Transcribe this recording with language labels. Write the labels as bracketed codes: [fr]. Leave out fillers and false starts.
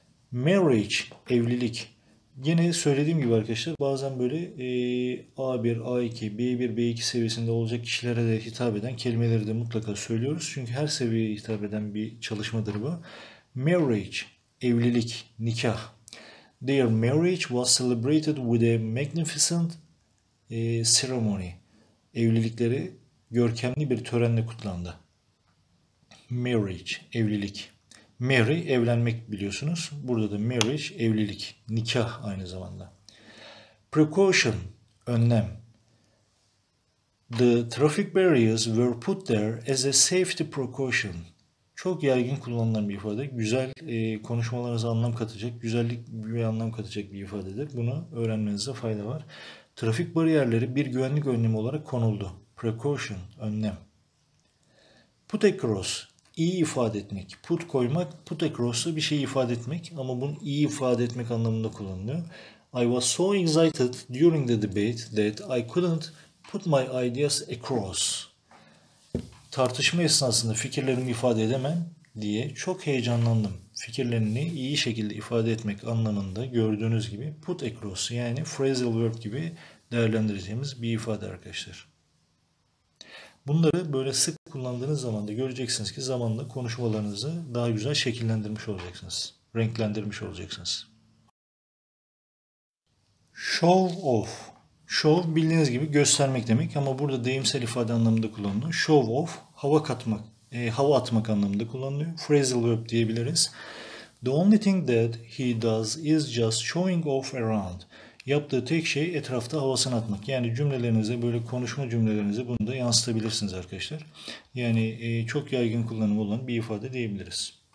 [tr] Marriage, evlilik. Yine söylediğim gibi arkadaşlar bazen böyle A1, A2, B1, B2 seviyesinde olacak kişilere de hitap eden kelimeleri de mutlaka söylüyoruz. Çünkü her seviyeye hitap eden bir çalışmadır bu. Marriage, evlilik, nikah. [en] Their marriage was celebrated with a magnificent ceremony. [tr] Evlilikleri görkemli bir törenle kutlandı. Marriage, evlilik. Mary evlenmek biliyorsunuz. Burada da marriage, evlilik, nikah aynı zamanda. Precaution, önlem. [en] The traffic barriers were put there as a safety precaution. [tr] Çok yaygın kullanılan bir ifade. Güzel konuşmalarınıza anlam katacak, güzellik bir anlam katacak bir ifadedir. Bunu öğrenmenize fayda var. Trafik bariyerleri bir güvenlik önlemi olarak konuldu. Precaution, önlem. Put across, iyi ifade etmek. Put koymak, put across'ı bir şeyi ifade etmek ama bunu iyi ifade etmek anlamında kullanılıyor. [en] I was so excited during the debate that I couldn't put my ideas across. [tr] Tartışma esnasında fikirlerimi ifade edemem diye çok heyecanlandım. Fikirlerini iyi şekilde ifade etmek anlamında gördüğünüz gibi put across, yani phrasal verb gibi değerlendireceğimiz bir ifade arkadaşlar. Bunları böyle sık kullandığınız zaman da göreceksiniz ki zamanla konuşmalarınızı daha güzel şekillendirmiş olacaksınız. Renklendirmiş olacaksınız. Show off. Show bildiğiniz gibi göstermek demek ama burada deyimsel ifade anlamında kullanılıyor. Show off, hava katmak, hava atmak anlamında kullanılıyor. Phrasal verb diyebiliriz. [en] The only thing that he does is just showing off around. [tr] Yaptığı tek şey etrafta havasını atmak. Yani cümlelerinize, böyle konuşma cümlelerinize bunu da yansıtabilirsiniz arkadaşlar. Yani çok yaygın kullanımı olan bir ifade diyebiliriz.